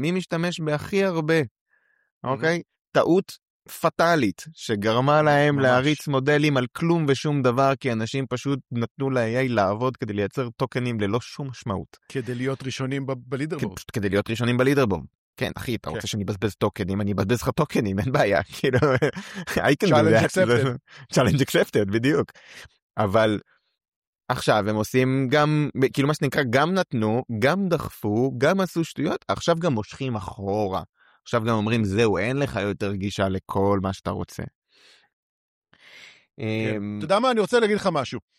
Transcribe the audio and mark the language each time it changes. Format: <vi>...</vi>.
<he>מי משתמש בהכי הרבה? אוקיי? טעות פטלית שגרמה להם ממש. להריץ מודלים על כלום ושום דבר, כי אנשים פשוט נתנו ל-AI לעבוד כדי לייצר טוקנים ללא שום משמעות. כדי להיות ראשונים בלידרבורד. כדי להיות ראשונים בלידרבורד. כן, אחי, אתה רוצה שאני אבזבז טוקנים, אני אבזבז לך טוקנים, אין בעיה. כאילו,</he> <en>I can do that. Challenge accepted,</en> <he>בדיוק. אבל עכשיו הם עושים גם, כאילו מה שנקרא, גם נתנו, גם דחפו, גם עשו שטויות, עכשיו גם מושכים אחורה. עכשיו גם אומרים, זהו, אין לך יותר גישה לכל מה שאתה רוצה. אתה יודע מה? אני רוצה להגיד לך משהו.</he>